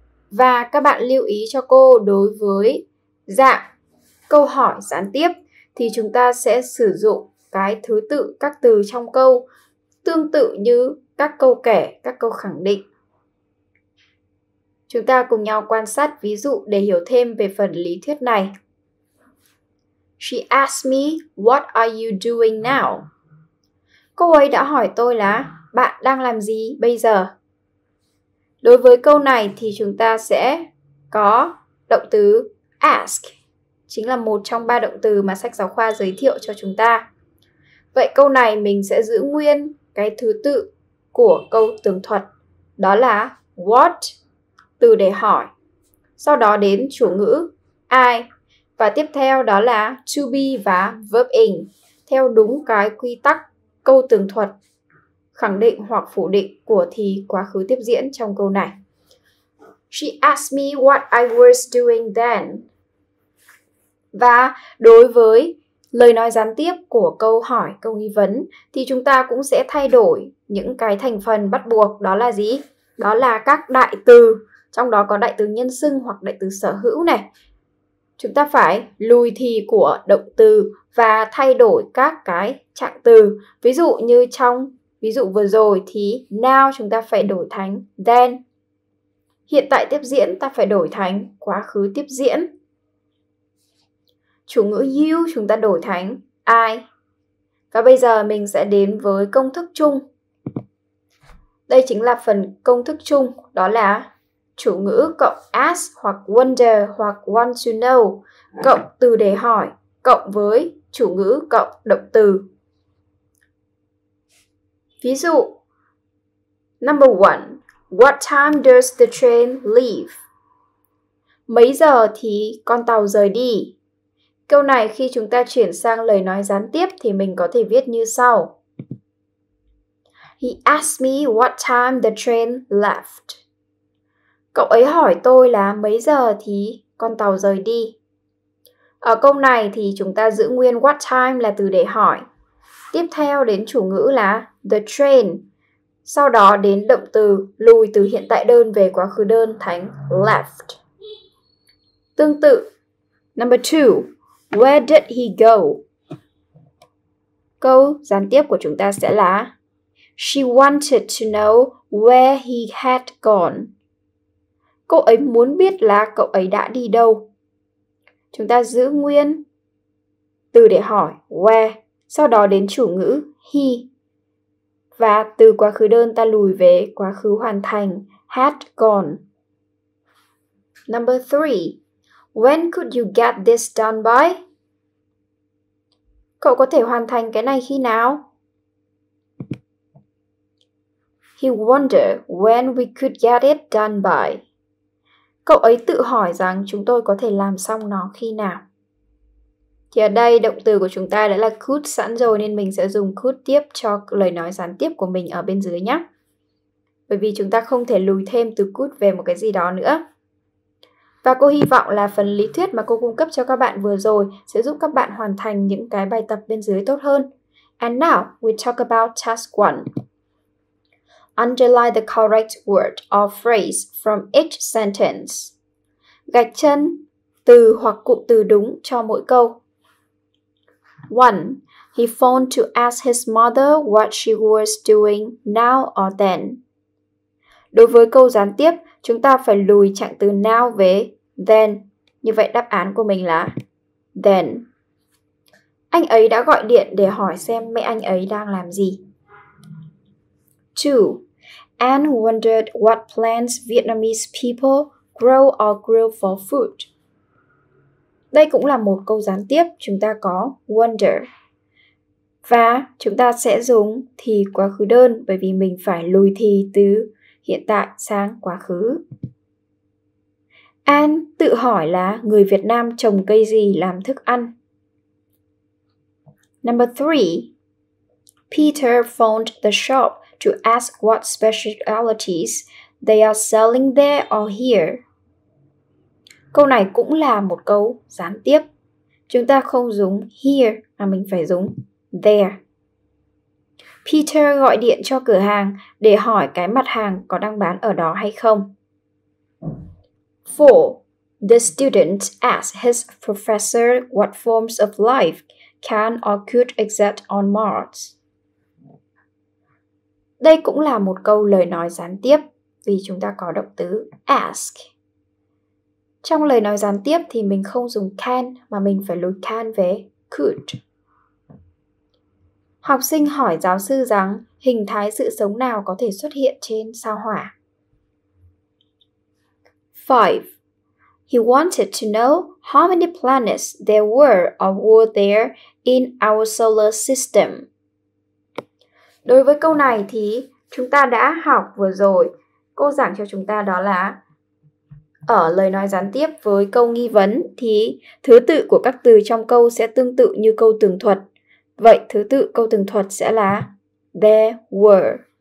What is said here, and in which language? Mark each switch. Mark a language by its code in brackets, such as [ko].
[vi] Và các bạn lưu ý cho cô đối với dạng câu hỏi gián tiếp thì chúng ta sẽ sử dụng cái thứ tự các từ trong câu tương tự như các câu kể, các câu khẳng định. Chúng ta cùng nhau quan sát ví dụ để hiểu thêm về phần lý thuyết này. [en] She asked me, "What are you doing now?" [vi] Cô ấy đã hỏi tôi là bạn đang làm gì bây giờ? Đối với câu này thì chúng ta sẽ có động từ ask, chính là một trong ba động từ mà sách giáo khoa giới thiệu cho chúng ta. Vậy câu này mình sẽ giữ nguyên cái thứ tự của câu tường thuật, đó là what, từ để hỏi. Sau đó đến chủ ngữ I, và tiếp theo đó là to be và verb in, theo đúng cái quy tắc câu tường thuật khẳng định hoặc phủ định của thì quá khứ tiếp diễn trong câu này. [en] She asked me what I was doing then. [vi] Và đối với lời nói gián tiếp của câu hỏi, câu nghi vấn, thì chúng ta cũng sẽ thay đổi những cái thành phần bắt buộc đó là gì? Đó là các đại từ, trong đó có đại từ nhân xưng hoặc đại từ sở hữu này. Chúng ta phải lùi thì của động từ và thay đổi các cái trạng từ. Ví dụ như trong ví dụ vừa rồi thì now chúng ta phải đổi thành then. Hiện tại tiếp diễn ta phải đổi thành quá khứ tiếp diễn. Chủ ngữ you chúng ta đổi thành I. Và bây giờ mình sẽ đến với công thức chung. Đây chính là phần công thức chung, đó là chủ ngữ cộng ask hoặc wonder hoặc want to know cộng từ để hỏi cộng với chủ ngữ cộng động từ. Ví dụ, [en] number one, what time does the train leave? [vi] Mấy giờ thì con tàu rời đi? Câu này khi chúng ta chuyển sang lời nói gián tiếp thì mình có thể viết như sau. [en] He asked me what time the train left. [vi] Cậu ấy hỏi tôi là mấy giờ thì con tàu rời đi? Ở câu này thì chúng ta giữ nguyên what time là từ để hỏi. Tiếp theo đến chủ ngữ là the train. Sau đó đến động từ lùi từ hiện tại đơn về quá khứ đơn thành left. Tương tự, [en] number two, where did he go? [vi] Câu gián tiếp của chúng ta sẽ là [en] she wanted to know where he had gone. [vi] Cô ấy muốn biết là cậu ấy đã đi đâu. Chúng ta giữ nguyên từ để hỏi where, sau đó đến chủ ngữ he. Và từ quá khứ đơn ta lùi về quá khứ hoàn thành, had gone. [en] Number three, when could you get this done by? [vi] Cậu có thể hoàn thành cái này khi nào? [en] He wondered when we could get it done by. [vi] Cậu ấy tự hỏi rằng chúng tôi có thể làm xong nó khi nào? Thì ở đây động từ của chúng ta đã là could sẵn rồi nên mình sẽ dùng could tiếp cho lời nói gián tiếp của mình ở bên dưới nhé. Bởi vì chúng ta không thể lùi thêm từ could về một cái gì đó nữa. Và cô hy vọng là phần lý thuyết mà cô cung cấp cho các bạn vừa rồi sẽ giúp các bạn hoàn thành những cái bài tập bên dưới tốt hơn. [en] And now we talk about task 1. Underline the correct word or phrase from each sentence. [vi] Gạch chân từ hoặc cụm từ đúng cho mỗi câu. 1. [en] He phoned to ask his mother what she was doing now or then. [vi] Đối với câu gián tiếp, chúng ta phải lùi trạng từ now về then. Như vậy đáp án của mình là then. Anh ấy đã gọi điện để hỏi xem mẹ anh ấy đang làm gì. 2. [en] Anne wondered what plants Vietnamese people grow or grill for food. [vi] Đây cũng là một câu gián tiếp, chúng ta có wonder. Và chúng ta sẽ dùng thì quá khứ đơn bởi vì mình phải lùi thì từ hiện tại sang quá khứ. Anne tự hỏi là người Việt Nam trồng cây gì làm thức ăn. [en] Number 3. Peter phoned the shop to ask what specialties they are selling there or here. [vi] Câu này cũng là một câu gián tiếp. Chúng ta không dùng here mà mình phải dùng there. Peter gọi điện cho cửa hàng để hỏi cái mặt hàng có đang bán ở đó hay không. 4. [en] The student asked his professor what forms of life can or could exist on Mars. [vi] Đây cũng là một câu lời nói gián tiếp vì chúng ta có động từ ask. Trong lời nói gián tiếp thì mình không dùng can mà mình phải lùi can về could. Học sinh hỏi giáo sư rằng hình thái sự sống nào có thể xuất hiện trên sao Hỏa. 5. [en] He wanted to know how many planets there were or were there in our solar system. [vi] Đối với câu này thì chúng ta đã học vừa rồi. Cô giảng cho chúng ta đó là ở lời nói gián tiếp với câu nghi vấn thì thứ tự của các từ trong câu sẽ tương tự như câu tường thuật. Vậy thứ tự câu tường thuật sẽ là there were.